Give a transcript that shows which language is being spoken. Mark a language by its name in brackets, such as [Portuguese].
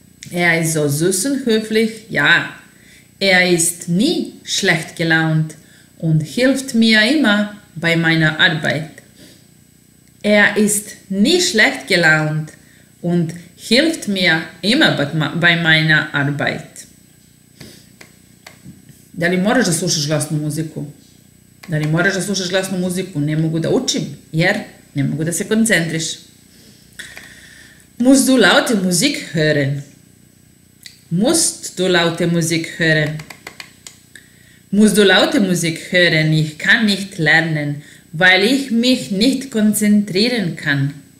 [German] Ist so süß und höflich, ja. Ist nie schlecht gelaunt und hilft mir immer bei meiner Arbeit. Ist nie schlecht gelaunt und hilft mir immer bei meiner Arbeit. [Serbian] Da li moraš da slušaš glasnu muziku? Da li moraš da slušaš glasnu muziku? Ne mogu da učim, jer ne mogu da se koncentriš. [German] Musst du laute Musik hören? Musst du laute Musik hören? Musst du laute Musik hören? Ich kann nicht lernen, weil ich mich nicht konzentrieren kann.